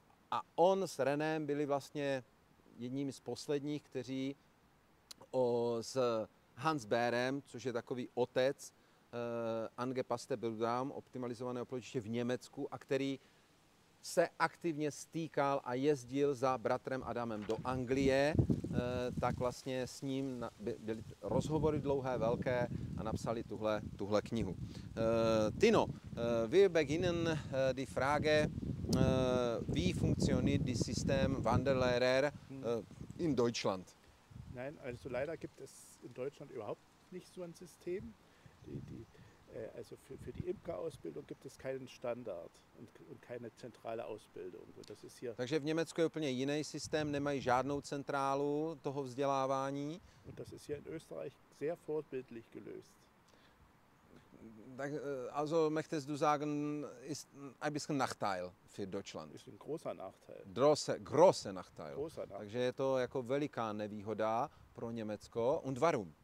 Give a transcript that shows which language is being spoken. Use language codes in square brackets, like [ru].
[cs] A on s Renem byli vlastně jedním z posledních, kteří s Hans Bärem, což je takový otec, angepaste Brutraum, optimalizovaného plodiště v Německu, a který se aktivně stýkal a jezdil za bratrem Adamem do Anglie, tak vlastně s ním byly rozhovory dlouhé, velké a napsali tuhle knihu. [de] Tino, wir beginnen die Frage, wie funktioniert das System Wanderlehrer in Deutschland? Nein, also leider gibt es in Deutschland überhaupt nicht so ein System. Also für die Imkerausbildung gibt es keinen Standard und keine zentrale Ausbildung. Und das ist hier. [cs] Takže v Německu je úplně jiný systém, nemají žádnou centrálu toho vzdělávání. [de] Und das ist hier in Österreich sehr vorbildlich gelöst. Tak, also möchtest du sagen, ist ein bisschen Nachteil für Deutschland. Ist ein großer Nachteil. Große Nachteil. Großer Nachteil. [cs] Takže je to jako veliká nevýhoda pro Německo. [de] Und warum?